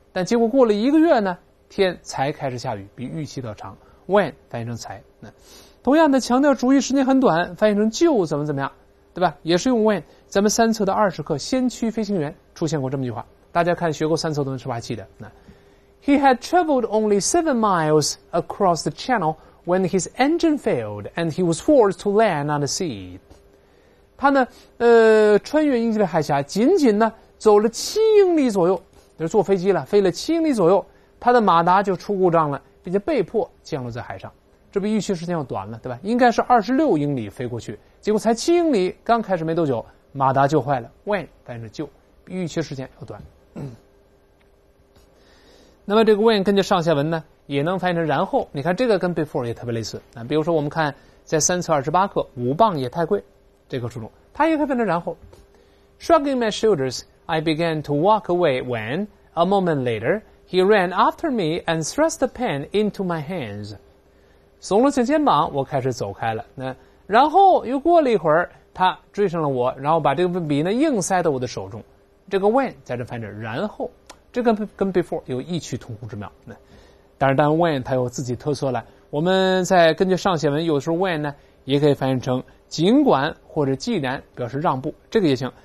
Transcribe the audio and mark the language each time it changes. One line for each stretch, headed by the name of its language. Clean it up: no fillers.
Chinese: 但结果过了一个月呢，天才开始下雨，比预期的长。 When 翻译成才，那同样的强调主语时间很短，翻译成就怎么怎么样，对吧？也是用 When。咱们三册的20课先驱飞行员出现过这么一句话，大家看学过三册的人是不是还记得？
English: 那 He had traveled only 7 miles across the channel when his engine failed and he was forced to land on the sea。
Chinese: 他呢，穿越英吉利海峡，仅仅呢走了7英里左右，就是坐飞机了，飞了7英里左右，他的马达就出故障了，并且被迫降落在海上。这比预期时间要短了，对吧？应该是26英里飞过去，结果才7英里，刚开始没多久，马达就坏了。 When 翻译成就，比预期时间要短。那么这个 when 根据上下文呢，也能翻译成然后。你看这个跟 before 也特别类似。比如说我们看在三册28课，5磅也太贵。这个书中他也可以变成然后。
English: Shrugging my shoulders, I began to walk away when, a moment later, he ran after me and thrust the pen into my hands.
Chinese: 耸了下肩膀，我开始走开了。那然后又过了一会儿，他追上了我，然后把这个笔呢硬塞到我的手中。这个 when 在这翻译成然后。这个跟 before 有异曲同工之妙。那当然 when 它有自己特色了。我们在根据上写文，有时候 when 呢也可以翻译成尽管或者既然，表示让步，这个也行。